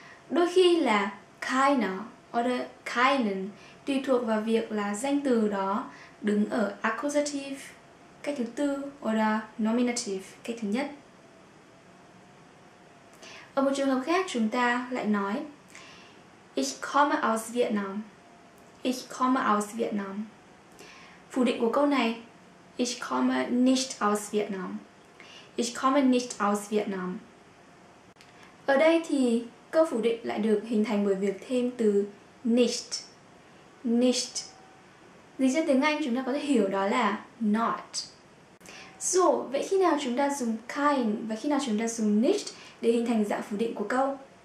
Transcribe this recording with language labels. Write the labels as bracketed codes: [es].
[vi] Đôi khi là keiner oder keinen tùy thuộc vào việc là danh từ đó đứng ở accusative cách thứ tư oder nominative cách thứ nhất. Ở một trường hợp khác chúng ta lại nói [de] Ich komme aus Vietnam. Ich komme aus Vietnam. [vi] Phủ định của câu này [de] Ich komme nicht aus Vietnam. Ich komme nicht aus Vietnam. [vi] Ở đây thì câu phủ định lại được hình thành bởi việc thêm từ nicht. Nicht. Dịch ra tiếng Anh chúng ta có thể hiểu đó là not. So, vậy khi nào chúng ta dùng kein và khi nào chúng ta dùng nicht để hình thành dạng phủ định của câu?